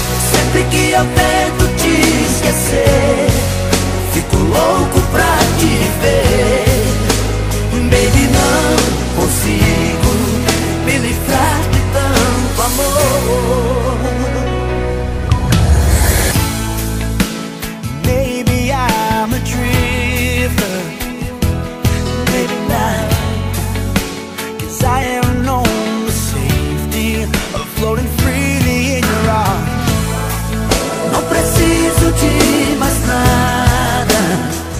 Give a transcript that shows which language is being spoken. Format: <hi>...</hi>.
<pt>Sempre que eu tento te esquecer, fico louco pra te ver. Baby, não consigo me livrar de tanto amor.</pt> <en>Maybe I'm a dreamer, maybe not. Cause I am known the safety of floating freely in your arms.</en> <pt>Não preciso de mais nada.</pt>